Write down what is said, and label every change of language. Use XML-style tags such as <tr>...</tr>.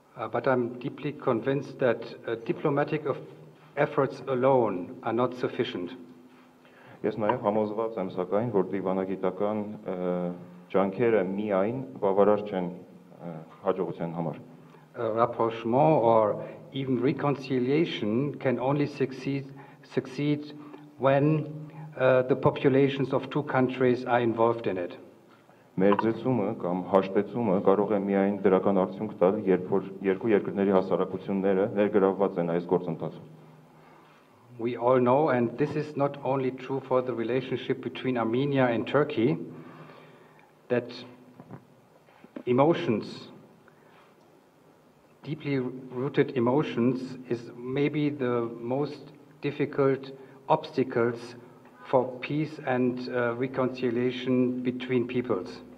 <en>But I'm deeply convinced that diplomatic efforts alone are not sufficient.</en> <hy>Ես նաև համոզված եմ, սակայն, որ դիվանագիտական ջանքերը միայն բավարար չեն հաջողության համար.</hy> <en>Rapprochement or even reconciliation can only succeed when the populations of two countries are involved in it.</en> <hy>Մերձեցումը կամ հաշտեցումը կարող է միայն դրական արդյունք տալ, երբ որ երկու երկրների հասարակությունները ներգրավված են այս գործընթացում։</hy> <en>We all know, and this is not only true for the relationship between Armenia and Turkey, that emotions, deeply rooted emotions, is maybe the most difficult obstacles for peace and reconciliation between peoples.</en>